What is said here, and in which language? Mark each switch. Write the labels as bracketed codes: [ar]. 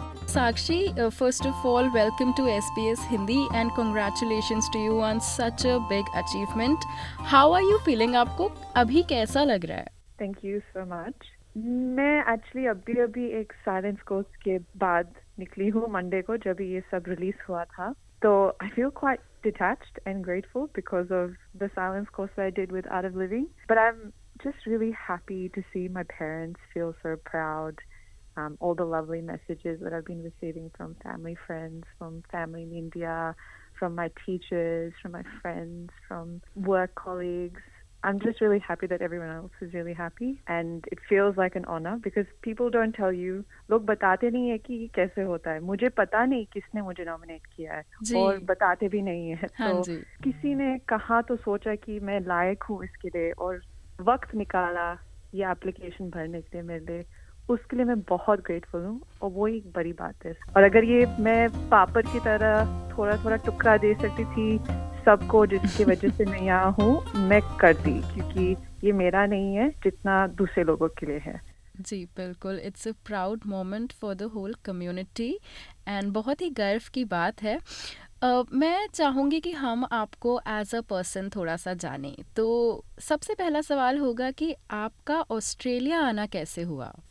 [en] Sakshi, first of all, welcome to SBS Hindi and congratulations to you on such a big achievement. How are you feeling? [hi] Aapko abhi kaisa lag raha hai? [en] Thank you so much. [hi] मैं actually अभी एक silence course के बाद निकली हूँ Monday को जब ये सब रिलीज हुआ था [en] तो I feel quite detached and grateful because of the silence course I did with Art of Living but I am just really happy to see my parents feel so proud all the lovely messages that I been receiving from family friends from family in India from my teachers from my friends from work colleagues I'm just really happy that everyone else is really happy and it feels like an honor because people don't tell you [hi] log batate nahi hai ki kaise hota hai mujhe pata nahi kisne mujhe nominate kiya hai aur batate bhi nahi hai to kisi ne kaha to socha ki main layak hu iske liye aur waqt nikala ye application bharne ke liye mere liye uske liye main bahut grateful hu aur wo ek badi baat hai aur agar ye main papad ki tarah thoda thoda tukra de sakti thi सबको जिसकी वजह से मैं यहाँ हूँ मैं करती क्योंकि ये मेरा नहीं है जितना दूसरे लोगों के लिए है जी बिल्कुल [en] it's a proud moment for the whole community and [hi] बहुत ही गर्व की बात है मैं चाहूँगी कि हम आपको [en] as a person [hi] थोड़ा सा जानें तो सबसे पहला सवाल होगा कि आपका ऑस्ट्रेलिया आना कैसे हुआ